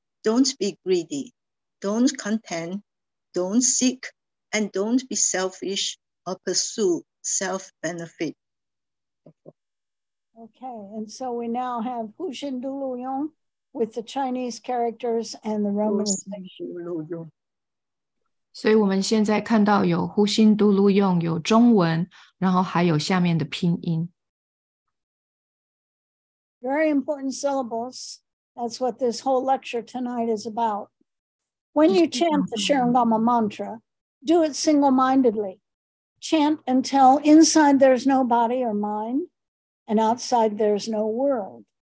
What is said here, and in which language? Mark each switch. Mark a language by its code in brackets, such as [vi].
[en] Don't be greedy. Don't contend. Don't seek. And don't be selfish or pursue self-benefit. Okay, and so we now have Hu Xin Du Lu Yong with the Chinese characters and the Romanization. [zh] 所以我们现在看到有呼心嘟噜用，有中文，然后还有下面的拼音。 [en] Very important syllables. That's what this whole lecture tonight is about. When you chant the Shurangama mantra, do it single-mindedly. Chant until inside there's no body or mind, and outside there's no world.